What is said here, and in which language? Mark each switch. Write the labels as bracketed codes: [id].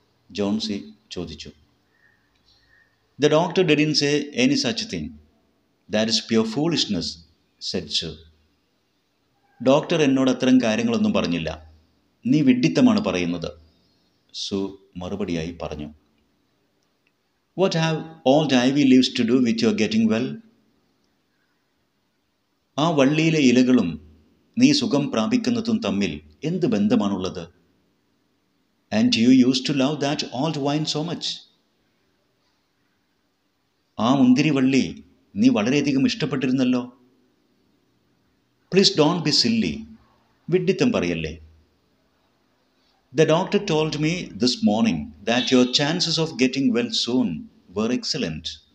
[ml] ജോൺസി ചോദിച്ചു. [en] The doctor didn't say any such thing. That is pure foolishness, said Sue. [ml] Doctor എന്നോട് അത്തരം കാര്യങ്ങളൊന്നും പറഞ്ഞില്ല. നീ വിഡ്ഢിത്തമാണ് പറയുന്നത്, സു മറുപടിയായി പറഞ്ഞു. [en] What have all the ivy leaves to do with your getting well? [ml] ആ വള്ളിയിലെ ഇലകളും നീ സുഖം പ്രാപിക്കുന്നതും തമ്മിൽ എന്ത് ബന്ധമാണുള്ളത്? [en] And you used to love that old wine so much. [ml] ആ മുന്തിരി വള്ളി നീ വളരെയധികം ഇഷ്ടപ്പെട്ടിരുന്നല്ലോ. [en] please don't be silly, [ml] വിഡ്ഢിത്തം പറയല്ലേ. [en] The doctor told me this morning that your chances of getting well soon were excellent.